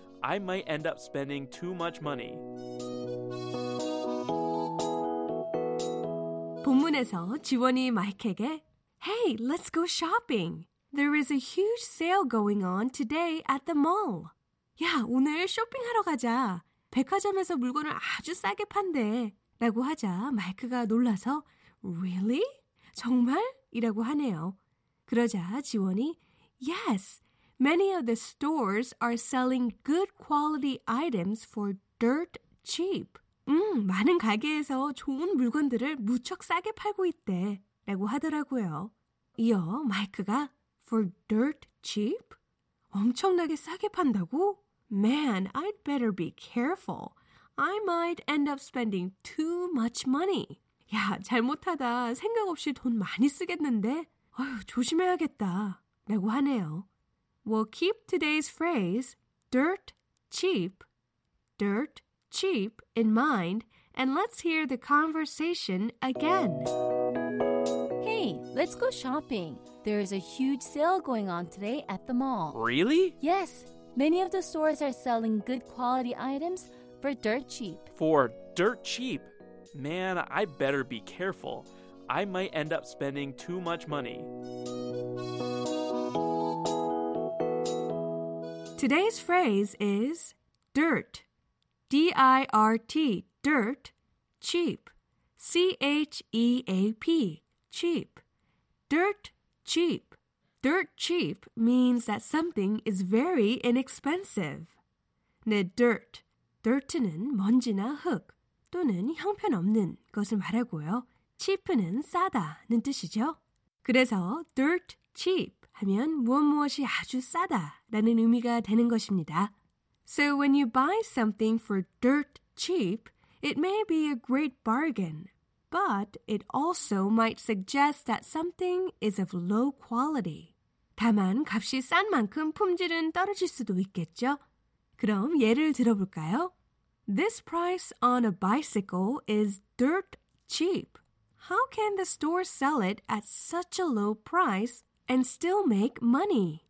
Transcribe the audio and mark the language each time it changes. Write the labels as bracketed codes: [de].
[en] I might end up spending too much money. [ko] 질문에서 지원이 마이크에게 [en] Hey, let's go shopping. There is a huge sale going on today at the mall. [ko] 야, 오늘 쇼핑하러 가자. 백화점에서 물건을 아주 싸게 판대. 라고 하자 마이크가 놀라서 [en] Really? [ko] 정말? 이라고 하네요. 그러자 지원이 [en] Yes, many of the stores are selling good quality items for dirt cheap. [ko] 많은 가게에서 좋은 물건들을 무척 싸게 팔고 있대. 라고 하더라고요. 이어 마이크가 [en] For dirt cheap? [ko] 엄청나게 싸게 판다고? [en] Man, I'd better be careful. I might end up spending too much money. [ko] 야, 잘못하다 생각 없이 돈 많이 쓰겠는데? 어휴, 조심해야겠다. 라고 하네요. [en] Well, keep today's phrase, dirt cheap in mind, and let's hear the conversation again. Hey, let's go shopping. There is a huge sale going on today at the mall. Really? Yes. Many of the stores are selling good quality items for dirt cheap. For dirt cheap? Man, I better be careful. I might end up spending too much money. Today's phrase is dirt. D-I-R-T, dirt, cheap. C-H-E-A-P, cheap. Dirt, cheap. Dirt cheap means that something is very inexpensive. [ko] 네, dirt. Dirt는 먼지나 흙 또는 형편없는 것을 말하고요. cheap는 싸다는 뜻이죠. 그래서 dirt cheap 하면 무엇무엇이 아주 싸다라는 의미가 되는 것입니다. [en] So when you buy something for dirt cheap, it may be a great bargain. But it also might suggest that something is of low quality. [ko] 다만 값이 싼 만큼 품질은 떨어질 수도 있겠죠. 그럼 예를 들어볼까요? [en] This price on a bicycle is dirt cheap. How can the store sell it at such a low price and still make money?